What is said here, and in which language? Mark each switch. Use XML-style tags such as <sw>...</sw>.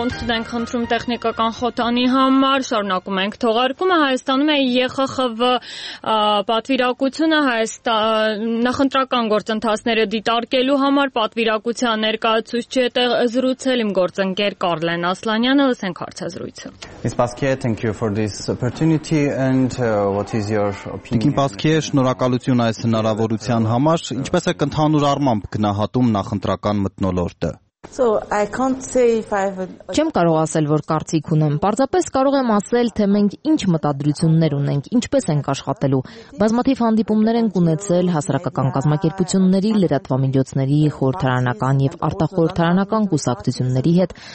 <hy>ենք խնդրում տեխնիկական խոթանի համար, շարունակում ենք թողարկումը։ Հայաստանում է ԵԽԽՎ պատվիրակությունը նախընտրական գործընթացները դիտարկելու համար, պատվիրակության ներկայացուցիչը տեղ զրուցել իմ գործընկեր Կարլեն Ասլանյանը, լսենք հարցազրույցը։</hy> <en>Ms. Paskie, thank you for this opportunity and what is your opinion? Ms.</en> <hy>Paskie, շնորհակալություն այս հնարավորության համար, ինչպես եք ընդհանուր առմամբ գնահատում նախընտրական մտնոլորտը։</hy> <en>So I can't say if I have</en> <hy>Չեմ կարող ասել, որ կարծիք ունեմ։ Պարզապես կարող եմ ասել, թե մենք ինչ մտադրություններ ունենք, ինչպես ենք աշխատելու։ Բազմաթիվ հանդիպումներ ենք ունեցել հասարակական կազմակերպությունների, լրատվամիջոցների, խորհրդարանական եւ արտախորհրդարանական կուսակցությունների հետ,</hy>